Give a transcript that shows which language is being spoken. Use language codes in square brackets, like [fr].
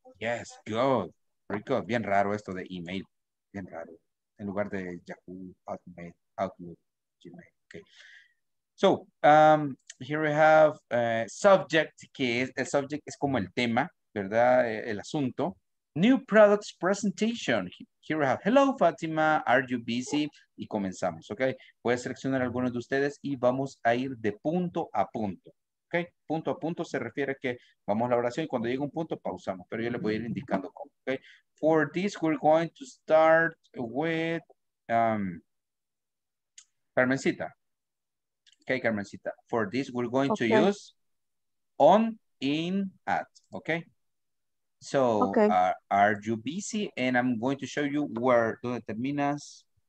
[en] Yes, good. Very good. [es] Bien raro esto de email. Bien raro. En lugar de Yahoo, Hotmail, Outlook, Gmail. Okay. [en] So, here we have subject, [es] que es, el subject es como el tema, ¿verdad? El asunto. [en] New products presentation. Here we have, hello, Fátima, are you busy? [es] Y comenzamos, ¿ok? Voy a seleccionar algunos de ustedes y vamos a ir de punto a punto, ¿ok? Punto a punto se refiere a que vamos a la oración y cuando llegue un punto, pausamos. Pero yo les voy a ir indicando cómo, ¿ok? [en] For this, we're going to start with Carmencita. Okay, Carmencita. For this, we're going okay. to use on, in, at. Okay. So, okay. Are you busy? And I'm going to show you where, [es] donde terminas.